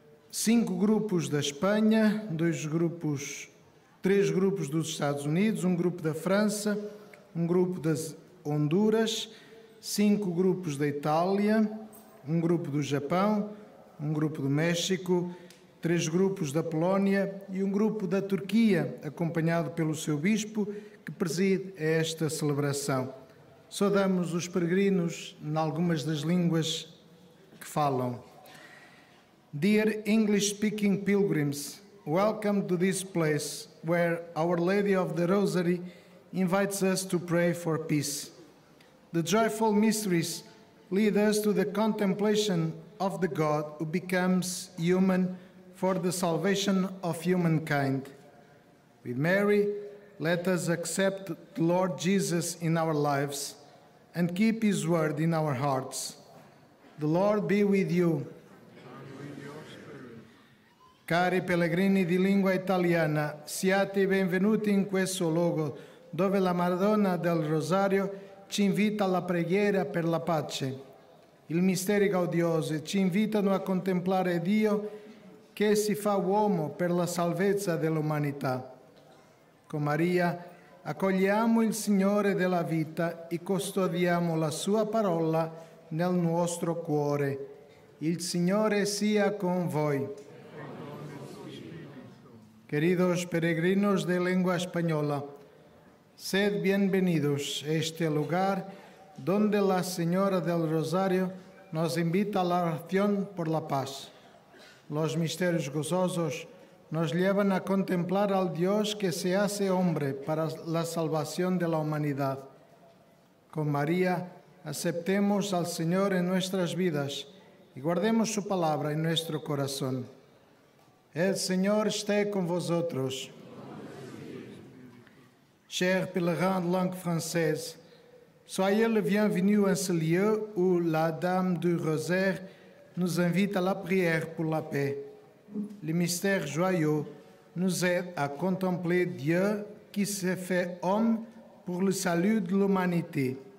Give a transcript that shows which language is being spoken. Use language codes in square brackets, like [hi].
[pt] 5 grupos da Espanha, 3 grupos dos Estados Unidos, 1 grupo da França, um grupo das Honduras, 5 grupos da Itália, um grupo do Japão, um grupo do México, 3 grupos da Polónia e um grupo da Turquia, acompanhado pelo seu bispo, que preside esta celebração. Saudamos os peregrinos em algumas das línguas que falam. [en] Dear English-speaking pilgrims, welcome to this place where Our Lady of the Rosary invites us to pray for peace. The joyful mysteries lead us to the contemplation of the God who becomes human for the salvation of humankind. With Mary, let us accept the Lord Jesus in our lives and keep his word in our hearts. The Lord be with you. [it] Cari pellegrini di lingua italiana, siate benvenuti in questo luogo dove la Madonna del Rosario ci invita alla preghiera per la pace. Il mistero gaudioso ci invitano a contemplare Dio che si fa uomo per la salvezza dell'umanità. Con Maria accogliamo il Signore della vita e custodiamo la sua parola nel nostro cuore. Il Signore sia con voi. [es] Queridos peregrinos de lengua española, sed bienvenidos a este lugar donde la Señora del Rosario nos invita a la oración por la paz. Los misterios gozosos nos llevan a contemplar al Dios que se hace hombre para la salvación de la humanidad. Con María aceptemos al Señor en nuestras vidas y guardemos su palabra en nuestro corazón. El Señor esté con vosotros. [fr] Chers pèlerins de langue française, soyez le bienvenu en ce lieu où la Dame du Rosaire nous invite à la prière pour la paix. Le mystère joyeux nous aide à contempler Dieu qui s'est fait homme pour le salut de l'humanité.